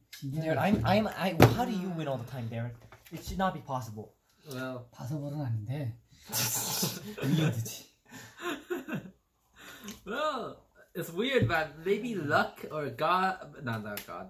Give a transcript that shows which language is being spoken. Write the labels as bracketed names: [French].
[English] Derek, I how do you win all the time, Derek? It should not be possible. Well, [Korean] 파서블은 아닌데 위어드지. [English] Well, it's weird, but maybe luck or God, not God.